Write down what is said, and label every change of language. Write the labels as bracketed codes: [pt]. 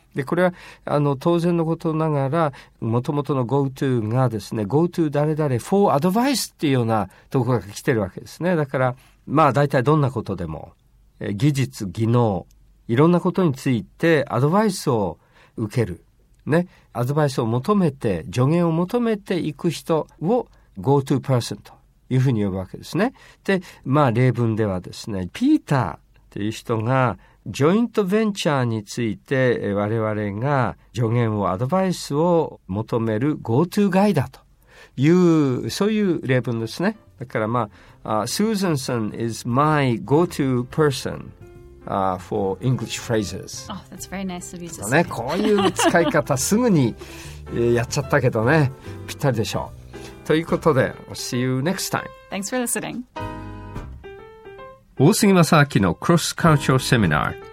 [ja] で、これは、当然のことながら、もともとの go to がですね、go to 誰々 for advice っていうようなところが来てるわけですね。だから、まあ大体どんなことでも、技術、技能、いろんなことについてアドバイスを受ける、ね、アドバイスを求めて助言を求めていく人を go to person というふうに呼ぶわけですね。で、まあ例文ではですね、ピーターという人がジョイントベンチャーについて我々が助言をアドバイスを求める go to guy だというそういう例文ですね。だからまあ、 [en] Susan さん is my go to personfor English phrases. Oh, that's very nice of you to say. [ja] ね、こういう使い方すぐにやっちゃったけどね、ぴったりでしょう。ということで、 [en] See you next time. Thanks for listening. [ja] 大杉正明の Cross Cultural Seminar.